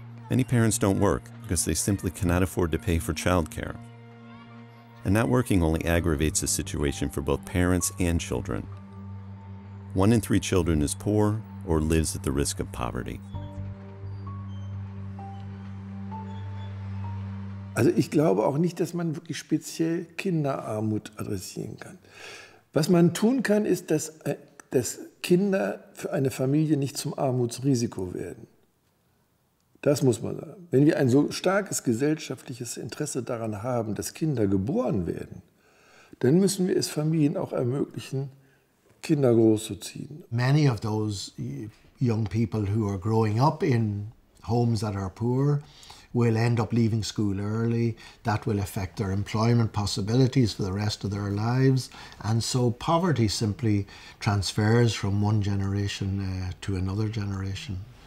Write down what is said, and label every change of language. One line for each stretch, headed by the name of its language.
English: Many parents don't work because they simply cannot afford to pay for childcare. And not working only aggravates the situation for both parents and children. One in three children is poor or lives at the risk of poverty.
German: Also, ich glaube auch nicht, dass man wirklich speziell Kinderarmut adressieren kann. Was man tun kann, ist, dass Kinder für eine Familie nicht zum Armutsrisiko werden. Das muss man sagen. Wenn wir ein so starkes gesellschaftliches Interesse daran haben, dass Kinder geboren werden, dann müssen wir es Familien auch ermöglichen, Kinder großzuziehen.
English: Many of those young people who are growing up in homes that are poor will end up leaving school early. That will affect their employment possibilities for the rest of their lives. And so poverty simply transfers from one generation to another generation.